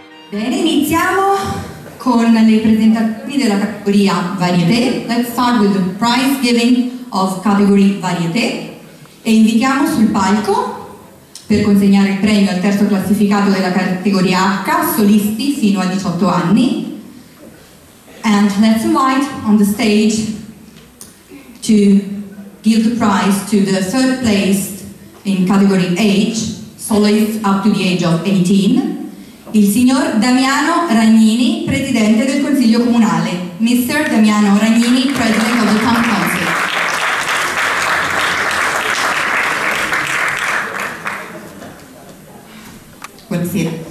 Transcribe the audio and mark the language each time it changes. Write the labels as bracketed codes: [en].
[it] Bene, iniziamo con le presentazioni della categoria Varieté. [en] Let's start with the prize giving of category Varieté. [it] E invitiamo sul palco, per consegnare il premio al terzo classificato della categoria H, solisti fino a 18 anni. [en] And let's invite on the stage to give the prize to the third placed in category H, solists up to the age of 18. [it] Il signor Damiano Ragnini, presidente del Consiglio Comunale. Mr. [en] Damiano Ragnini, president of the Town Council. [it] Buonasera.